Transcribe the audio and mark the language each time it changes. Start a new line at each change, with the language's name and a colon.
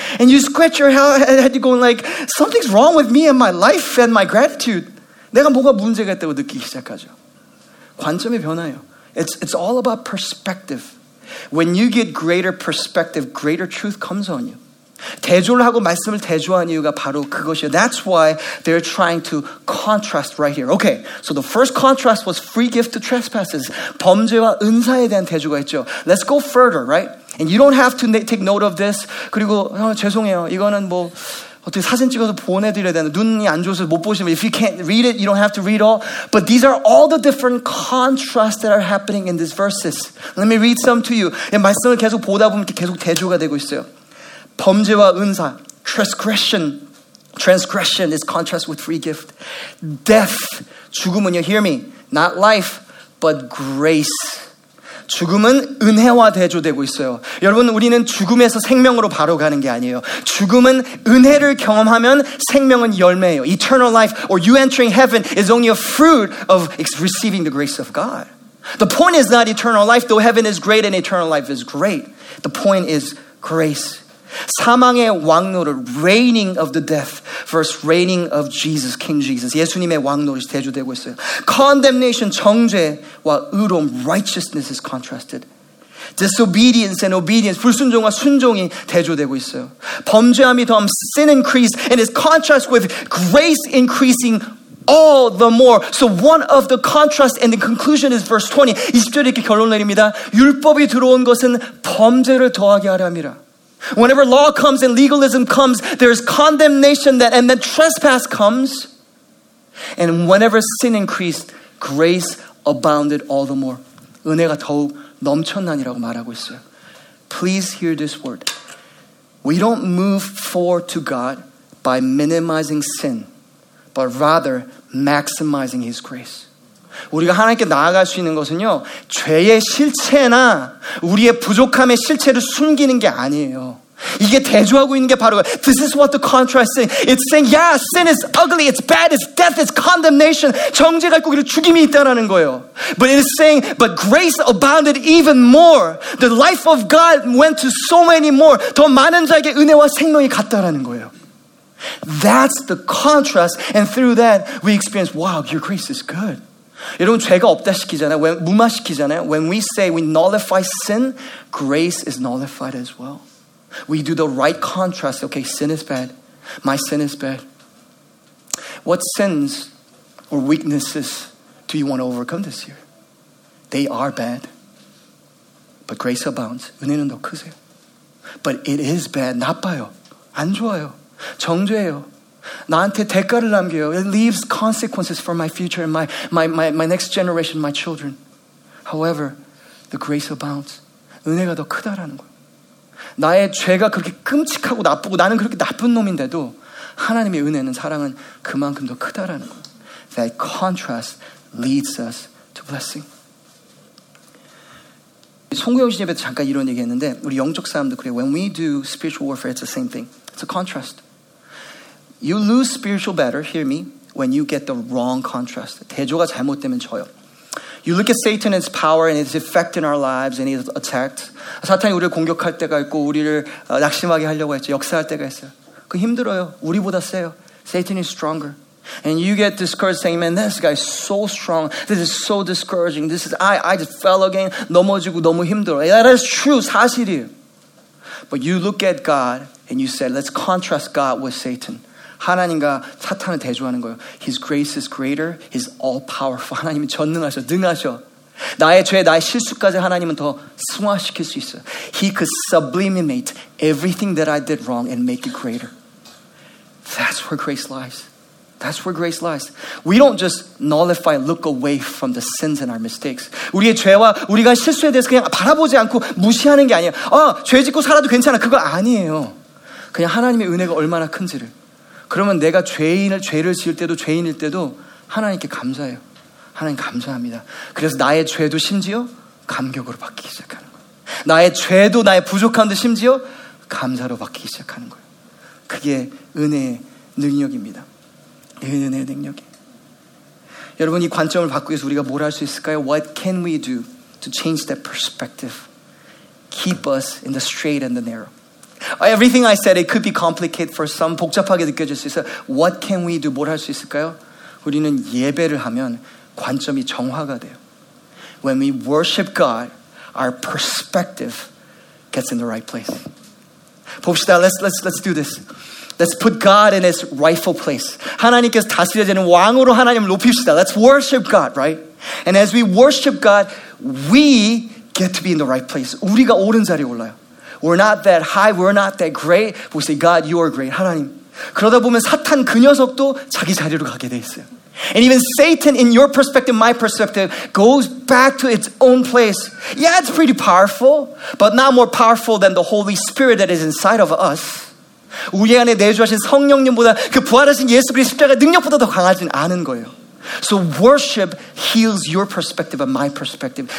English: And you scratch your head going like, something's wrong with me and my life and my gratitude.
Korean: 내가 뭐가 문제가 있다고 느끼기 시작하죠. 관점이 변해요.
English: It's all about perspective. When you get greater perspective, greater truth comes on you.
Korean: 대조를 하고 말씀을 대조하는 이유가 바로 그것이에요.
English: That's why they're trying to contrast right here. Okay, so the first contrast was free gift to trespasses.
Korean: 범죄와 은사에 대한 대조가 있죠.
English: Let's go further, right? And you don't have to take note of this.
Korean: 그리고 죄송해요. 이거는 뭐 어떻게 사진 찍어서 보내드려야 되나. 눈이 안 좋아서 못 보시면
English: if you can't read it, you don't have to read all. But these are all the different contrasts that are happening in these verses. Let me read some to you.
Korean: 말씀을 계속 보다 보면 계속 대조가 되고 있어요. 범죄와 은사,
English: transgression. Transgression is contrast with free gift. Death,
Korean: 죽음은
English: you hear me? Not life, but grace.
Korean: 죽음은 은혜와 대조되고 있어요. 여러분, 우리는 죽음에서 생명으로 바로 가는 게 아니에요. 죽음은 은혜를 경험하면 생명은 열매예요.
English: Eternal life or you entering heaven is only a fruit of receiving the grace of God. The point is not eternal life, though heaven is great and eternal life is great. The point is grace.
Korean: 사망의 왕노릇,
English: reigning of the death versus reigning of Jesus, King Jesus.
Korean: 예수님의 왕노릇이 대조되고 있어요.
English: Condemnation,
Korean: 정죄와 의로움,
English: righteousness is contrasted. Disobedience and obedience,
Korean: 불순종과 순종이 대조되고 있어요. 범죄함이 더함,
English: sin increase, and is contrasted with grace increasing all the more. So one of the contrasts and the conclusion is verse 20.
Korean: 20절에 이렇게 결론을 내립니다. 율법이 들어온 것은 범죄를 더하게 하려 함이라.
English: Whenever law comes and legalism comes, there's condemnation that, and then trespass comes. And whenever sin increased, grace abounded all the more.
Korean: 은혜가 더욱 넘쳤나니라고 말하고 있어요.
English: Please hear this word. We don't move forward to God by minimizing sin, but rather maximizing His grace.
Korean: 우리가 하나님께 나아갈 수 있는 것은요 죄의 실체나 우리의 부족함의 실체를 숨기는 게 아니에요. 이게 대조하고 있는 게 바로
English: This is what the contrast is saying. It's saying, yeah, sin is ugly, it's bad, it's death, it's condemnation.
Korean: 정죄가 있고 죽임이 있다라는 거예요.
English: But it's saying, but grace abounded even more. The life of God went to so many more.
Korean: 더 많은 자에게 은혜와 생명이 갔다라는 거예요.
English: That's the contrast. And through that, we experience, wow, your grace is good.
Korean: 여러분 죄가 없다 시키잖아요.
English: When,
Korean: 무마시키잖아요.
English: When we say we nullify sin, grace is nullified as well. We do the right contrast. Okay, sin is bad. My sin is bad. What sins or weaknesses do you want to overcome this year? They are bad. But grace abounds.
Korean: 은혜는 더 크세요.
English: But it is bad.
Korean: 나빠요. 안 좋아요. 정죄해요. 나한테 대가를 남겨요.
English: It leaves consequences for my future and my next generation, my children. However, the grace abounds.
Korean: 은혜가 더 크다라는 거예요. 나의 죄가 그렇게 끔찍하고 나쁘고 나는 그렇게 나쁜 놈인데도 하나님의 은혜는 사랑은 그만큼 더 크다라는 거예요.
English: That contrast leads us to blessing.
Korean: 송구영신 예배에서 잠깐 이런 얘기했는데 우리 영적 싸움도 그래요.
English: When we do spiritual warfare, it's the same thing. It's a contrast. You lose spiritual battle, hear me, when you get the wrong contrast.
Korean: 대조가 잘못되면 져요.
English: You look at Satan and his power and his effect in our lives and his attacks.
Korean: 사탄이 우리를 공격할 때가 있고 우리를 낙심하게 하려고 했죠. 역사할 때가 있어요. 그 힘들어요. 우리보다 세요.
English: Satan is stronger. And you get discouraged saying, man, this guy is so strong. This is so discouraging. This is, I just fell again.
Korean: 넘어지고 너무 힘들어.
English: Yeah, that is true.
Korean: 사실이에요.
English: But you look at God and you say, let's contrast God with Satan.
Korean: 하나님과 사탄을 대조하는 거예요.
English: His grace is greater. He's all powerful.
Korean: 하나님이 전능하셔, 능하셔. 나의 죄, 나의 실수까지 하나님은 더 승화시킬 수 있어요.
English: He could sublimate everything that I did wrong and make it greater. That's where grace lies. That's where grace lies. We don't just nullify, look away from the sins and our mistakes.
Korean: 우리의 죄와 우리가 실수에 대해서 그냥 바라보지 않고 무시하는 게 아니에요. 아, 죄 짓고 살아도 괜찮아. 그거 아니에요. 그냥 하나님의 은혜가 얼마나 큰지를. 그러면 내가 죄인을 죄를 지을 때도 죄인일 때도 하나님께 감사해요. 하나님 감사합니다. 그래서 나의 죄도 심지어 감격으로 바뀌기 시작하는 거예요. 나의 죄도 나의 부족함도 심지어 감사로 바뀌기 시작하는 거예요. 그게 은혜의 능력입니다. 은혜의 능력이. 여러분 이 관점을 바꾸기 위해서 우리가 뭘 할 수 있을까요?
English: What can we do to change that perspective? Keep us in the straight and the narrow. Everything I said, it could be complicated for some.
Korean: 복잡하게 느껴질 수 있어.
English: What can we do?
Korean: 뭘 할 수 있을까요? 우리는 예배를 하면 관점이 정화가 돼요.
English: When we worship God, our perspective gets in the right place.
Korean: 봅시다.
English: Let's do this. Let's put God in his rightful place.
Korean: 하나님께서 다스려지는 왕으로 하나님을 높입시다.
English: Let's worship God, right? And as we worship God, we get to be in the right place.
Korean: 우리가 옳은 자리에 올라요.
English: We're not that high, we're not that great. But we say, God, you are great. 하나님.
Korean: 그러다 보면 사탄 그 녀석도 자기 자리로 가게 돼 있어요.
English: And even Satan, in your perspective, my perspective, goes back to its own place. Yeah, it's pretty powerful, but not more powerful than the Holy Spirit that is inside of us.
Korean: 우리 안에 내주하신 성령님보다 그 부활하신 예수 그리스도 십자가 능력보다 더 강하진 않은 거예요.
English: So worship heals your perspective and my perspective.